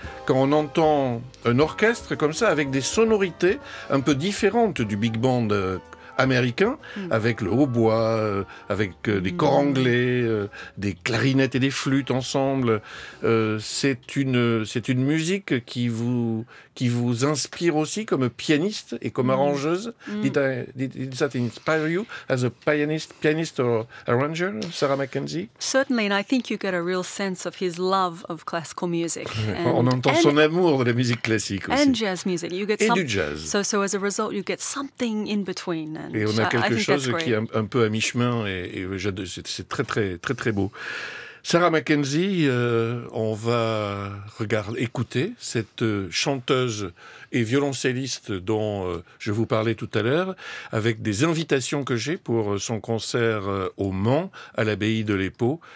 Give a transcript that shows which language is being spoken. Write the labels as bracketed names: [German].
[French] Quand on entend un orchestre comme ça, avec des sonorités un peu différentes du big band américain, avec le hautbois, avec des cors anglais, des clarinettes et des flûtes ensemble. C'est une musique qui vous inspire aussi comme pianiste et comme arrangeuse. [English] Did that inspire you as a pianist or arranger, Sarah McKenzie? Certainly, and I think you get a real sense of his love of classical music. [French] On entend son amour de la musique classique aussi. [English] And jazz music. You get [French] et du jazz. [English] So as a result, you get something in between. [French] Et on a quelque chose qui est un peu à mi-chemin et c'est très très très très beau. Sarah McKenzie, on va écouter cette chanteuse et violoncelliste dont je vous parlais tout à l'heure, avec des invitations que j'ai pour son concert au Mans, à l'abbaye de Lépau.